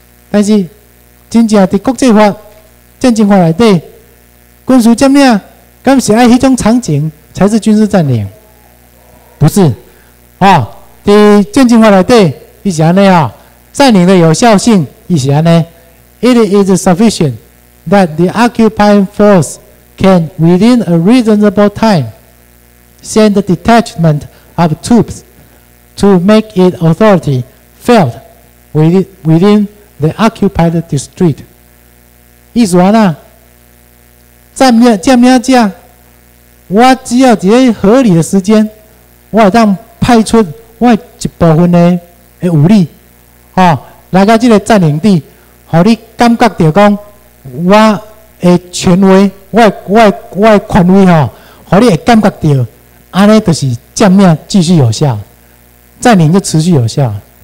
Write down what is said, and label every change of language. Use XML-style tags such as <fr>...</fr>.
<nan>但是真正伫国际法、战争法内底，军事占领，敢是爱迄种场景才是军事占领？不是，哦。在战争法内底，伊是安尼啊，占领的有效性，伊是安尼。</nan> <en>It is sufficient that the occupying force can, within a reasonable time, send a detachment of troops to make its authority felt within the occupied district.</en> <nan>意思安那，占领者，我只要在合理的时间，我会当派出。我一部分的武力，哦，来到这个占领地，让你感觉到讲我的权威，我的权威吼，让你会感觉到，安尼就是占领继续有效，占领就持续有效。</nan>